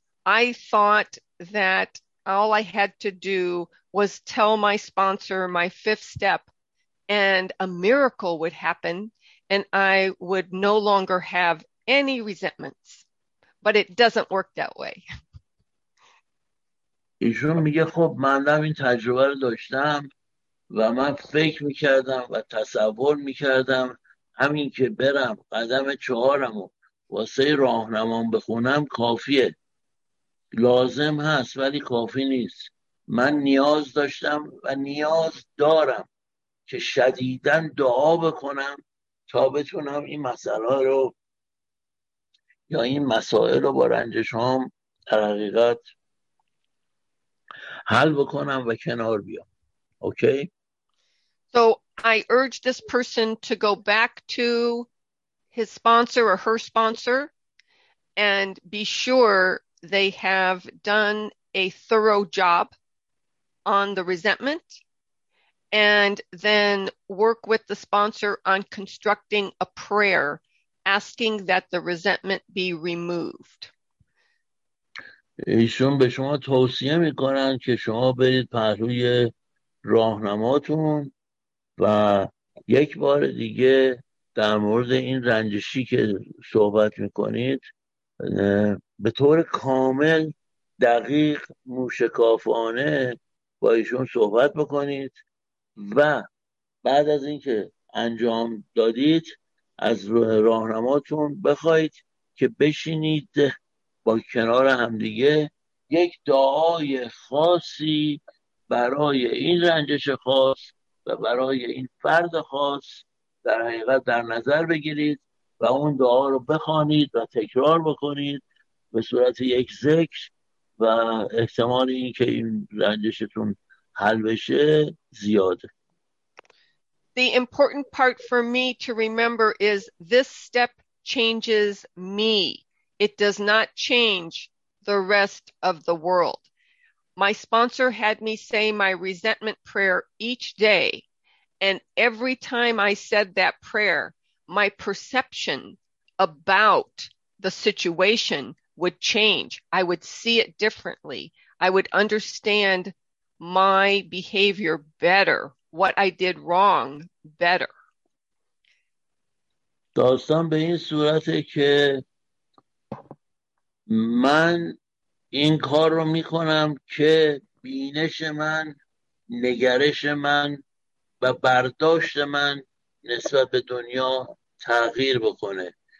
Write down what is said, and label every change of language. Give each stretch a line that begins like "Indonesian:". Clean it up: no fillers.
English: I thought that all I had to do was tell my sponsor my fifth step and a miracle would happen and I would no longer have any resentments. But it doesn't work that way.
Persian: ایشون میگه خب منم این تجربه رو داشتم و من فکر میکردم و تصور میکردم همین که برم قدم چهارم و واسه راهنمام بخونم کافیه. لازم هست ولی کافی نیست. من نیاز داشتم و نیاز دارم که شدیداً دعا بکنم تا بتونم این مسئله رو یا این مسائل رو با رنجش هم در حقیقت حل بکنم و کنار بیام. اوکی؟
English: So I urge this person to go back to his sponsor or her sponsor and be sure they have done a thorough job on the resentment and then work with the sponsor on constructing a prayer asking that the resentment be removed.
Persian: ایشون به شما توصیه میکنن که شما برید پهلوی راهنماتون و یک بار دیگه در مورد این رنجشی که صحبت میکنید به طور کامل دقیق موشکافانه با ایشون صحبت بکنید و بعد از اینکه انجام دادید از راهنماتون بخواید که بشینید با کنار همدیگه یک دعای خاصی برای این رنجش خاص و برای این فرد خاص در حقیقت در نظر بگیرید و اون دعا رو بخوانید و تکرار بکنید به صورت یک ذکر و احتمال این که این رنجشتون حل بشه زیاده.
English: The important part for me to remember is this step changes me. It does not change the rest of the world. My sponsor had me say my resentment prayer each day. And every time I said that prayer, my perception about the situation would change. I would see it differently. I would understand my behavior better, what I did wrong better.
Persian: داستان به این صورته که من این کار رو میکنم که بینش من، نگرش من و برداشت من نسبت به دنیا تغییر بکنه.